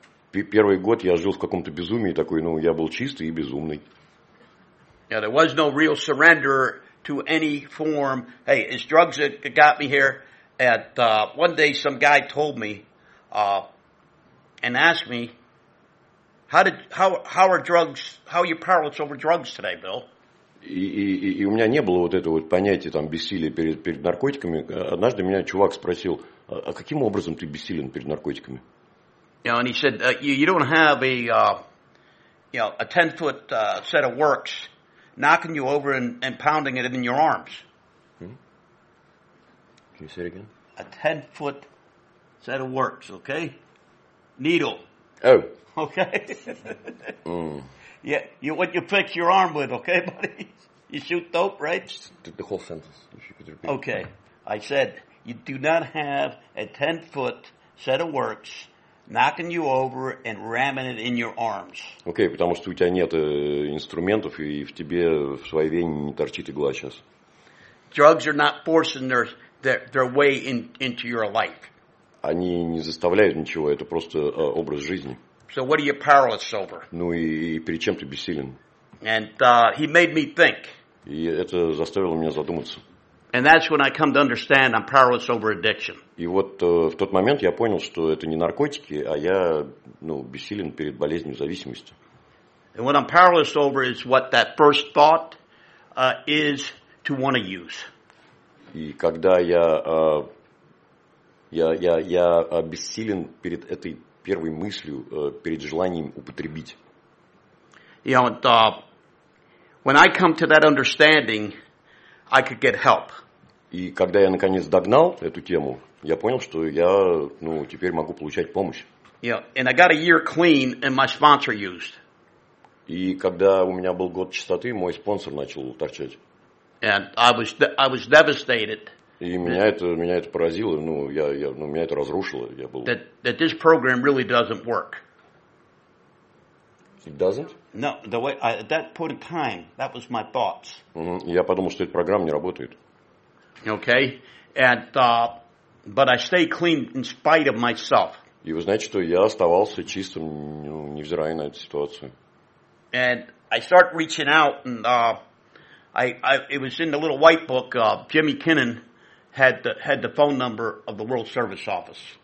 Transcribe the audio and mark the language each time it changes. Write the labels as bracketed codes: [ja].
[ru] Первый год я жил в каком-то безумии такой, ну, я был чистый и безумный. [en] Yeah, there was no real surrender to any form. Hey, it's drugs that got me here. And one day some guy told me and asked me, how are you powerless over drugs today, Bill? [ru] И у меня не было вот этого вот понятия там бессилия перед наркотиками. Однажды меня чувак спросил, а каким образом ты бессилен перед наркотиками? [en] You know, and he said, you don't have a 10-foot set of works knocking you over and pounding it in your arms. Hmm? Can you say it again? A 10-foot set of works, okay? Needle. Oh. Okay. Mm. Yeah, you what you fix your arm with, okay, buddy? You shoot dope, right? The whole sentence, if you could repeat. Okay. I said, you do not have a 10-foot set of works knocking you over and ramming it in your arms. [ru] Okay, потому что у тебя нет инструментов, и в тебе, в своей вене не торчит игла сейчас. [en] Drugs are not forcing their way into your life. [ru] Они не заставляют ничего, это просто образ жизни. [en] So what are you powerless over? [ru] Ну и перед чем ты бессилен? [en] And he made me think. [ru] И это заставило меня задуматься. [en] And that's when I come to understand I'm powerless over addiction. [ru] И вот в тот момент я понял, что это не наркотики, а я, ну, бессилен перед болезнью зависимости. [en] And what I'm powerless over is what that first thought is to want to use. [ru] И когда я бессилен перед этой первой мыслью, перед желанием употребить. [en] You know, when I come to that understanding, I could get help. [ru] И когда я наконец догнал эту тему, я понял, что я, ну, теперь могу получать помощь. [en] Yeah, and I got a year clean, and my sponsor used. [ru] И когда у меня был год чистоты, мой спонсор начал торчать. [en] And I was devastated. [ru] И меня это поразило, ну, я меня это разрушило, я был. [en] That this program really doesn't work. It doesn't? No, the way at that point in time, that was my thoughts. [ru] Я подумал, что эта программа не работает. [en] Okay, and but I stay clean in spite of myself. [ru] И вы знаете, что я оставался чистым, ну, невзирая на эту ситуацию. [en] And I start reaching out, and it was in the little white book. Jimmy Kinnon had the phone number of the World Service Office.